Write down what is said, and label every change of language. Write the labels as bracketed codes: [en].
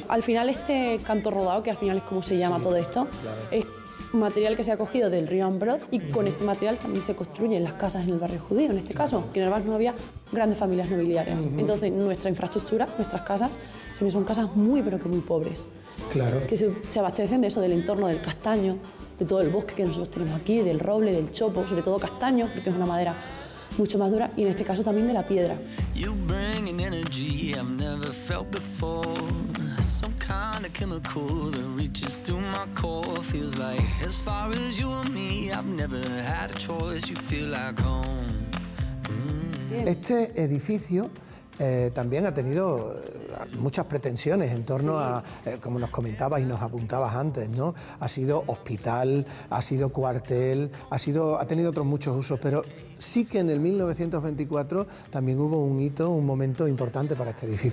[es] Al final, este canto rodado, que al final es como se llama, sí, todo esto, claro, es material que se ha cogido del río Ambroz, y con este material también se construyen las casas en el barrio judío, en este caso, que en Hervás no había grandes familias nobiliarias. Entonces, nuestra infraestructura, nuestras casas, son casas muy, pero que muy pobres. Claro. Que se abastecen de eso, del entorno del castaño, de todo el bosque que nosotros tenemos aquí, del roble, del chopo, sobre todo castaño, porque es una madera mucho más dura, y en este caso también de la piedra. [en] You bring an energy I've never felt before. Some kind of chemical that reaches through my core. Feels like as far as you and me, I've never had a choice. You feel like home. [es] Este edificio también ha tenido muchas pretensiones en torno, sí, a, como nos comentabas y nos apuntabas antes, ¿no? Ha sido hospital, ha sido cuartel, ha tenido otros muchos usos, pero sí que en el 1924 también hubo un hito, un momento importante para este edificio.